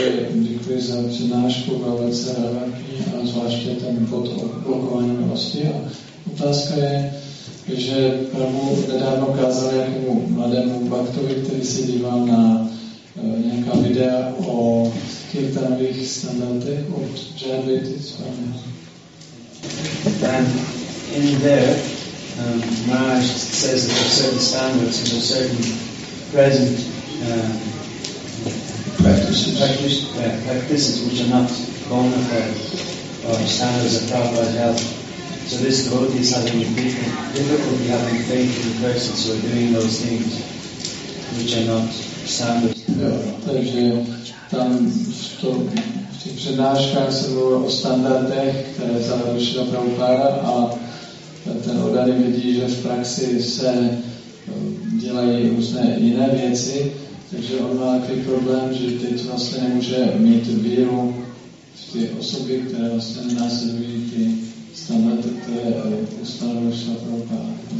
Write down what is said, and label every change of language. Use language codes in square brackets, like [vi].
[cs] Děkuji za přednášku velice relevantní a zvláště ten bod o blokování milosti. A otázka je, že Prabhu nedávno kázal nějakému mladému baktovi, který se díval na nějaká videa o kirtanových standardech od Jayadvaity Swami. [en] And in there, Maharaj says that there are certain standards and there are certain present practices which are not bona fide or standards of Prabhupada's health. So this devotee is having difficulty having faith in the persons who are doing those things which are not standards. [cs] Takže tam v těch přednáškách se mluvilo o standardech, které zavrušila Prabhupada, a ten oddaný vidí, že v praxi se dělají různé jiné věci, takže on má takový problém, že teď vlastně nemůže mít víru v ty osoby, které vlastně následují ty standardy, které ustanovila Prabhupada.